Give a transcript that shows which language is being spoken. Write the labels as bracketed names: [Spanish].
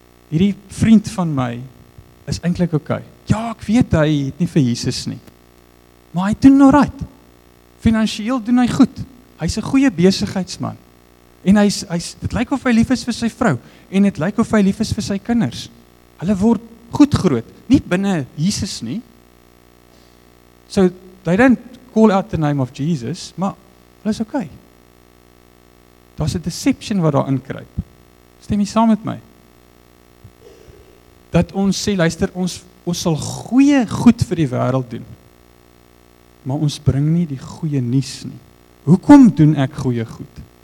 [Afrikaans] Hierdie vriend van my is eintlik okay. Ja, ek weet hy het nie vir Jesus nie. Maar hy doen alright. Finansieel doen hy goed. Hy's 'n goeie besigheidsman. En hy's dit lyk of hy lief is vir sy vrou en dit lyk of hy lief is vir sy kinders. Hulle word goed groot, nie binne Jesus nie. [English] So they don't call out the name of Jesus, [Afrikaans] maar hulle is okay. Daar's 'n deception wat daar inkruip. Stem jy saam met my? Dat ons sê, luister, ons sal goeie goed vir die wêreld doen. Maar ons bring nie die goeie nuus nie. Hoekom doen ek goeie goed?